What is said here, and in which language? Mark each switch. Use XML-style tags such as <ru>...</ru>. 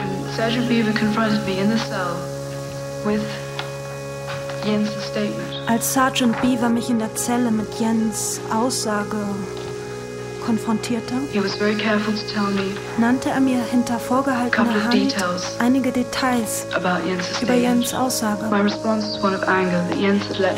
<en>Sergeant Beaver confronted me in the cell with Jens' statement.</en> <de>Als Sergeant Beaver mich in der Zelle mit Jens' Aussage konfrontierte,</de> <en>he was very careful to tell me,</en> <de>nannte er mir hinter vorgehaltener Hand details einige Details</de> <en>about Jens' statement.</en> <de>Über Jens' Aussage.</de> <en>My response was one of anger that Jens had let</en>